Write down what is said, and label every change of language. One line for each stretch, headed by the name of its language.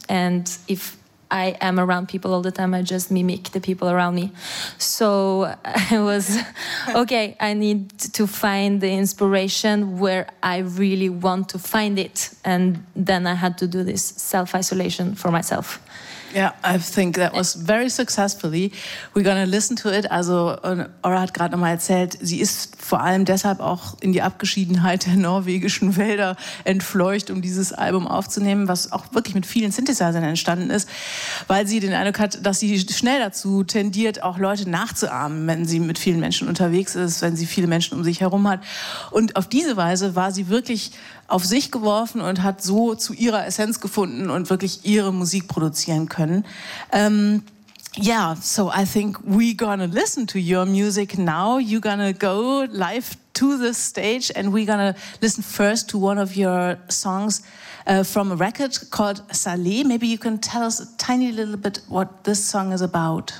English: And if I am around people all the time, I just mimic the people around me. So I was, okay, I need to find the inspiration where I really want to find it. And then I had to do this self-isolation for myself. Yeah, I think that was very successfully. We're going to listen to it.
German: Also, Aura hat gerade nochmal erzählt, sie ist vor allem deshalb auch in die Abgeschiedenheit der norwegischen Wälder entfleucht, um dieses Album aufzunehmen, was auch wirklich mit vielen Synthesizern entstanden ist, weil sie den Eindruck hat, dass sie schnell dazu tendiert, auch Leute nachzuahmen, wenn sie mit vielen Menschen unterwegs ist, wenn sie viele Menschen um sich herum hat. Und auf diese Weise war sie wirklich auf sich geworfen und hat so zu ihrer Essenz gefunden und wirklich ihre Musik produzieren können.
English: Yeah, so I think we're gonna listen to your music now. You're gonna go live to the stage and we're gonna listen first to one of your songs from a record called Salé. Maybe you can tell us a tiny little bit what this song is about.